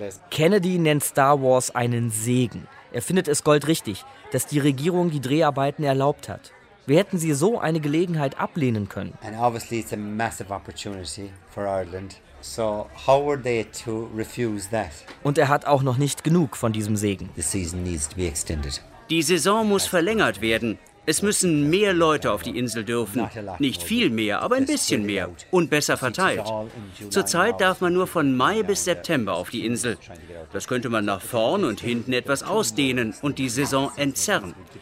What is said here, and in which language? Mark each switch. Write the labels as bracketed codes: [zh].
[de] Kennedy nennt Star Wars einen Segen. Er findet es goldrichtig, dass die Regierung die Dreharbeiten erlaubt hat. Wir hätten sie so eine Gelegenheit ablehnen können. [en] And obviously it's a massive opportunity for Ireland. So how were they to refuse that? [de] Und er hat auch noch nicht genug von diesem Segen. [en] The season needs to be extended. [de] Die Saison muss verlängert werden. Es müssen mehr Leute auf die Insel dürfen. Nicht viel mehr, aber ein bisschen mehr und besser verteilt. Zurzeit darf man nur von Mai bis September auf die Insel. Das könnte man nach vorn und hinten etwas ausdehnen und die Saison entzerren.